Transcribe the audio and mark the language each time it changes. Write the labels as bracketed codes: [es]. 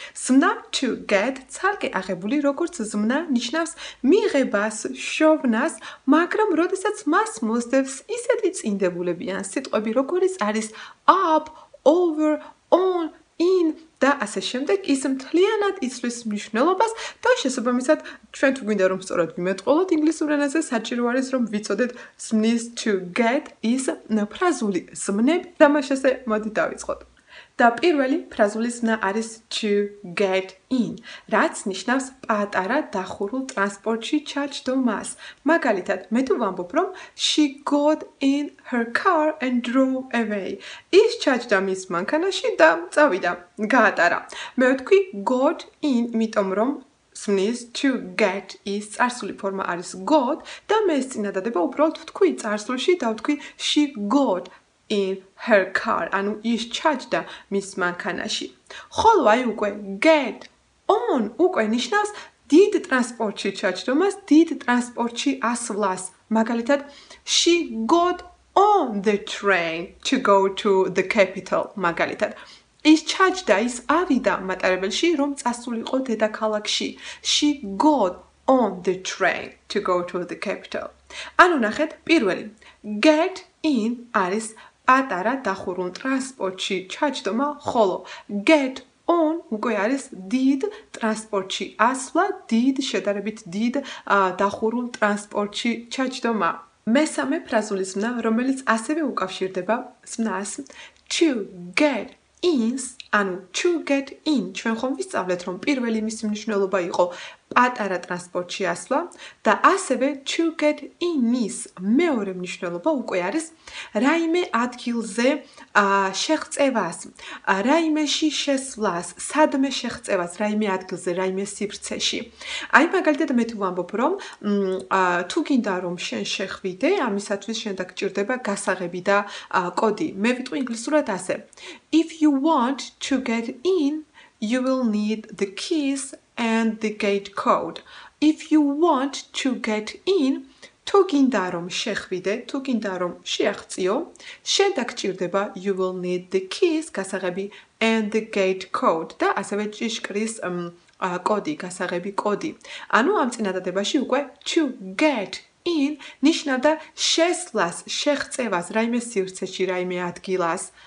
[ka] Სმნა to get ცალკე აღებული როგორც ზმნა ნიშნავს მიღებას, შოვნას, მაგრამ როდესაც მას მოსდევს ისეთი წინდებულებიან სიტყვები როგორც არის up, over, on, in და ასე შემდეგ, ის მთლიანად იცვლის მნიშვნელობას და შესაბამისად ჩვენ თუ გვინდა რომ სწორად ვიმეტყოლოთ ინგლისურ ენაზე, საჭირო არის რომ ვიცოდეთ სმნის to get ის ფრაზული სმნები. თამაშაზე მოდი დავიწყოთ. Და პირველი ფრაზული სმნა არის to get in, რაც ნიშნავს პატარა დახურულ ტრანსპორტში ჩაჯდომას. მაგალითად, მე თუ ვამბობ რომ [en] she got in her car and drove away. [ka] ის ჩაჯდა მის მანქანაში და წავიდა, გაატარა. მე ვთქვი got in, იმიტომ რომ სმნის to get ის წარსული ფორმა არის got და მე ეს წინადადება უბრალოდ ვთქვი წარსულში და ვთქვი [en] she got in her car, [ka] ანუ ის ჩაჯდა მის მანქანაში. ხოლო აი უკვე get on უკვე ნიშნავს დიდ ტრანსპორტში ჩაჯდომას, დიდ ტრანსპორტში ასვლას. [en] მაგალითად, she got on the train to go to the capital. [ka] მაგალითად, ის ჩაჯდა, ის ავიდა მატარებელში, რომ წასულიყო დედაქალაქში. [en] She got on the train to go to the capital. [ka] ანუ ნახეთ, პირველი get in არის პატარა დახურულ ტრანსპორტში ჩაჯდომა, ხოლო get on უკვე არის დიდ ტრანსპორტში ასვლა, დიდ შედარებით დიდ დახურულ ტრანსპორტში ჩაჯდომა. მესამე ფრაზული სმნა, რომელიც ასევე უკავშირდება სმნას to get ins, ანუ to get in, ჩვენ ხომ ვისწავლეთ რომ პირველი მისი მნიშვნელობა იყო პატარა ტრანსპორტში ასვლა და ასევე to get in-ის მეორე მნიშვნელობა უკვე არის რაიმე ადგილზე შეღწევას, რაიმეში შესვლას, სადმე შეღწევას, რაიმე ადგილზე, რაიმე სივრცეში. აი მაგალითად მე თუ ვამბობ რომ თუ გინდა რომ შენ შეხვიდე, ამისათვის შენ დაგჭირდება გასაღები და კოდი. მე ვიტყვი ინგლისურად ასე: [en] If you want to get in, you will need the keys and the gate code. If you want to get in, [ka] თუ გინდა რომ შეხვიდე, თუ გინდა რომ შეაღწიო, შენ დაგჭირდება [en] you will need the keys, [ka] გასაღები [en] and the gate code [ka] და ასევე ჭიშკრის კოდი, გასაღები კოდი. ანუ ამ წინადადებაში უკვე to get in ნიშნავდა შესვლას, შეღწევას რაიმე სივრცეში, რაიმე ადგილას.